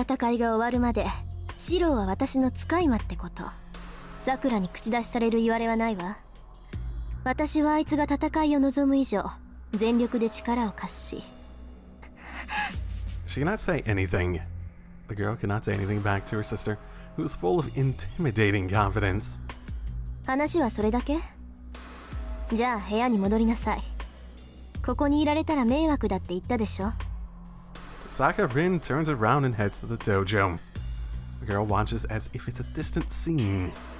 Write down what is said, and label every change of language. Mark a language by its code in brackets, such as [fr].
[ja] わかる？この戦いが終わるまでシローは私の使い魔ってこと。 Sakura に口出しされる言われはないわ。私はあいつが戦いを望む以上、全力で力を貸すし。 [en] She cannot say anything. The girl cannot say anything back to her sister, who is full of intimidating confidence. [ja] 話はそれだけ？じゃあ部屋に戻りなさい。ここにいられたら迷惑だって言ったでしょ。 [en] Saka Rin turns around and heads to the dojo. The girl watches as if it's a distant scene.